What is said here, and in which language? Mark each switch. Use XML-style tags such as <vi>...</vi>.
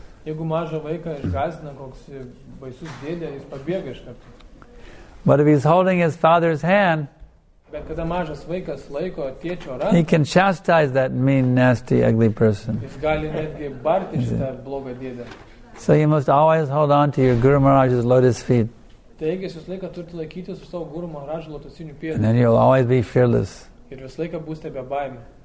<lt>Jeigu mažą vaiką išgąsdina koks baisus dėdė, jis pabėga iš karto.</lt> <en>But if he's holding his father's hand,</en> <lt>bet kada mažas vaikas laiko tėčio ranką,</lt> <en>he can chastise that mean, nasty, ugly person.</en> <lt>Jis gali netgi barti šitą blogą dėdę.</lt> <en>So you must always hold on to your Guru Maharaj's lotus feet.</en> <lt>Taigi jūs visą laiką turite laikytis už savo Guru Maharaj lotusinių pėdų.</lt> <en>And then you'll always be fearless.</en> <lt>Ir visą laiką būsite be baimės.</lt>